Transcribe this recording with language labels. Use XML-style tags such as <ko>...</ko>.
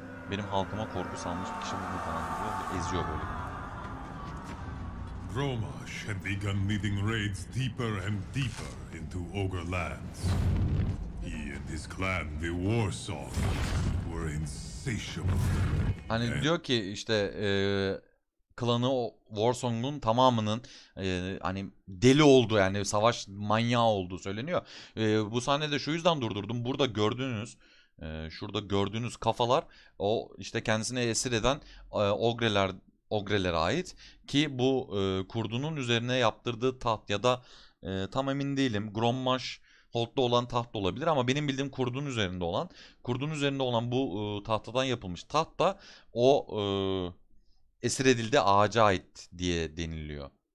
<tr>Benim halkıma korku salmış bir kişi bunu falan diyor. Eziyor böyle.</tr> <en>Roma had begun leading raids deeper and deeper into Ogre lands. He and his clan, the Warsong, were insatiable.</en> <tr>Hani diyor ki işte klanı Warsong'un tamamının hani deli oldu, yani savaş manyağı olduğu söyleniyor. Bu sahnede şu yüzden durdurdum. Burada gördüğünüz şurada gördüğünüz kafalar o işte kendisine esir eden ogrelere ait ki bu kurdunun üzerine yaptırdığı taht ya da tam emin değilim, Grommash Holt'ta olan taht da olabilir ama benim bildiğim kurdun üzerinde olan bu tahtadan yapılmış taht da o esir edildiği ağaca ait diye deniliyor.</tr>